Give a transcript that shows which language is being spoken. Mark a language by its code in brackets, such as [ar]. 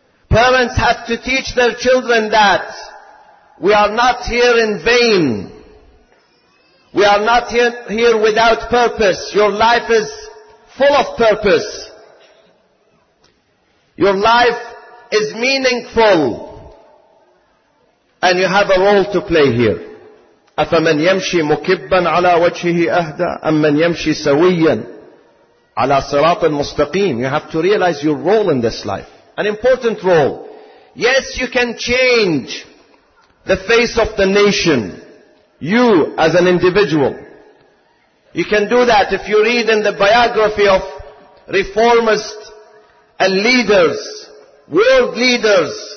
[en] Parents have to teach their children that we are not here in vain. We are not here without purpose. Your life is full of purpose. Your life is meaningful. And you have a role to play here. [ar] أفمن يمشي مكبا على وجهه أهدى أم من يمشي سويا على صراط مستقيم. [en] You have to realize your role in this life, an important role. Yes, you can change the face of the nation, you as an individual. You can do that if you read in the biography of reformists and leaders, world leaders.